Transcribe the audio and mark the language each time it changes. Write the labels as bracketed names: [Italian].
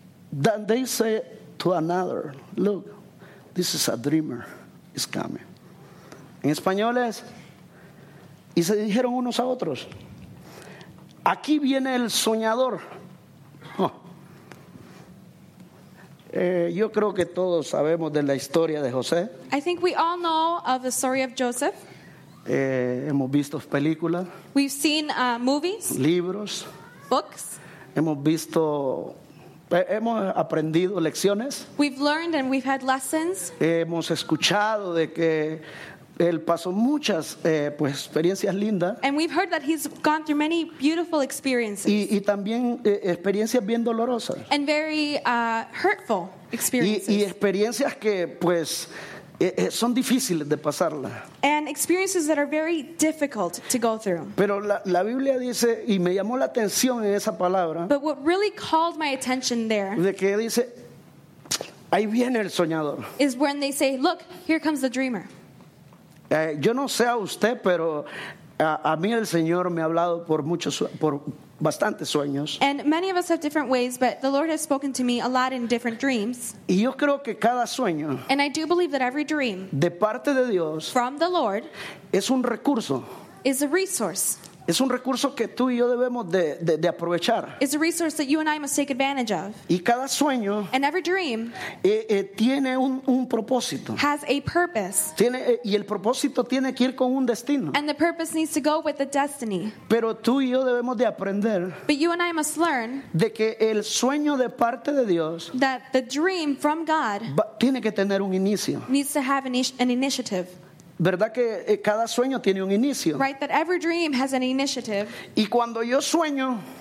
[English] Then they say to another, look, this is a dreamer, it's coming. [Spanish] En español es, y se dijeron unos a otros, aquí viene el soñador. Yo creo que todos sabemos de la historia de José. [English] I think we all know of the story of Joseph. [Spanish] Hemos visto películas. [English] We've seen movies. [Spanish] Libros. [English] Books. [Spanish] Hemos visto, hemos aprendido lecciones. [English] We've learned and we've had lessons. [Spanish] Hemos escuchado de que él pasó muchas pues experiencias lindas. [English] And we've heard that he's gone through many beautiful experiences. [Spanish] Y también experiencias bien dolorosas. [English] And very hurtful experiences. [Spanish] Y experiencias que pues son difíciles de pasarla. [English] And experiences that are very difficult to go through. [Spanish] Pero la Biblia dice, y me llamó la atención en esa palabra. [English] But what really called my attention there. [Spanish] De que dice, ahí viene el soñador. [English] Is when they say, look, here comes the dreamer. [Spanish] Yo no sé a usted, pero a mí el Señor me ha hablado por muchos, por bastantes sueños. [English] And many of us have different ways, but the Lord has spoken to me a lot in different dreams. [Spanish] Y yo creo que cada sueño. [English] And I do believe that every dream. [Spanish] De parte de Dios. [English] From the Lord. [Spanish] Es un recurso. [English] Is a resource. [Spanish] Es un recurso que tú y yo debemos de aprovechar. [English] It's a resource that you and I must take advantage of. [Spanish] Y cada sueño. [English] And every dream. [Spanish] Tiene un propósito. [English] Has a purpose. [Spanish] Tiene, y el propósito tiene que ir con un destino. [English] And the purpose needs to go with the destiny. [Spanish] Pero tú y yo debemos de aprender. [English] But you and I must learn. [Spanish] De que el sueño de parte de Dios. [English] That the dream from God. [Spanish] Tiene que tener un inicio. [English] Needs to have an initiative. [Spanish] ¿Verdad que cada sueño tiene un inicio? [English] Right, that every dream has an initiative. [Spanish] Y cuando yo sueño,